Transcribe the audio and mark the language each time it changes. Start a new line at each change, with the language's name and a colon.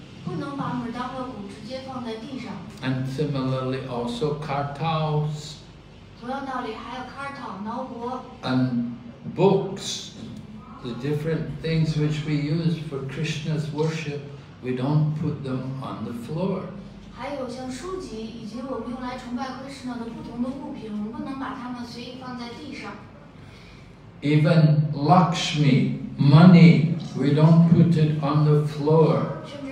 Chinese: 不能把 mridanga 鼓直接放在地上。
English: And similarly, also kartals.
Chinese: 同样道理，还有 kartal 挠钹。
English: And books, the different things which we use for Krishna's worship, we don't put them on the floor.
Chinese: 还有像书籍以及我们用来崇拜 Krishna 的不同的物品，我们不能把它们随意放在地上。
English: Even Lakshmi, money, we don't put it on the floor.